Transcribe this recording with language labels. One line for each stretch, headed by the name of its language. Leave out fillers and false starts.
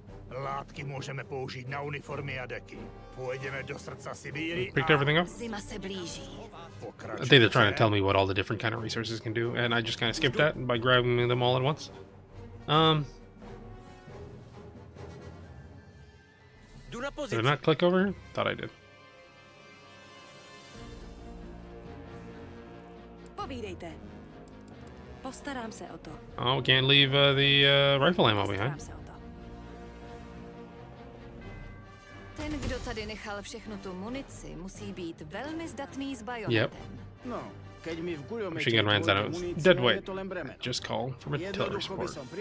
Czech: Látky můžeme použít na uniformy a deky. Půjdeme do srdca Sibíry.
English: Picked everything up.
Czech: Zima se blíží.
English: I think they're trying to tell me what all the different kind of resources can do, and I just kind of skipped that by grabbing them all at once. Did I not click over here? Thought I did.
Czech: Povídejte. Postarám se o to.
English: Oh, can't leave the rifle ammo behind.
Czech: Ten, kdo tady nechal všechnu tu munici, musí být velmi zdatný s bajonetem.
English: Yep. Machine gun runs out of dead weight. Just call from a teller support.